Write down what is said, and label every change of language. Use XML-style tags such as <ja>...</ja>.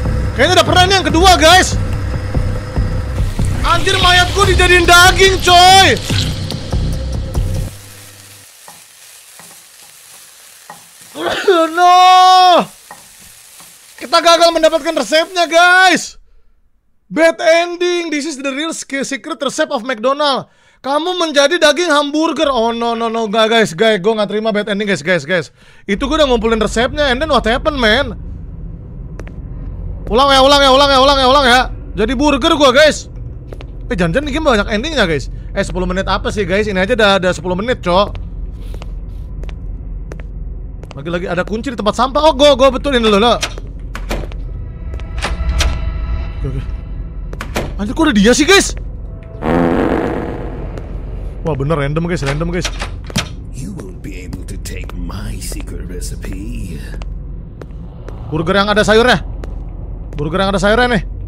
<id>Kayaknya udah pernah nih yang kedua guys. Anjir mayatku dijadiin daging coy. No. Kita gagal mendapatkan resepnya guys.</id> <en>Bad ending. This is the real secret recipe of McDonald's.</en> <id>Kamu menjadi daging hamburger. Oh no. Gak guys. Gak, gue gak terima</id> <en>bad ending</en> <id>guys. Itu gue udah ngumpulin resepnya.</id> <en>And then what happened man?</en> <id>Ulang ya. Jadi burger gua, guys. Jangan-jangan ini game banyak endingnya, guys. 10 menit apa sih, guys? Ini aja udah 10 menit, cok. Lagi-lagi ada kunci di tempat sampah. Oh, gua betulin dulu, lo. Oke. Anjir, kok ada dia sih, guys? Wah, bener random, guys.</id> <en>You will be able to take my secret recipe.</en> <id>Burger yang ada sayurnya. Burger yang ada sayurnya nih.</id>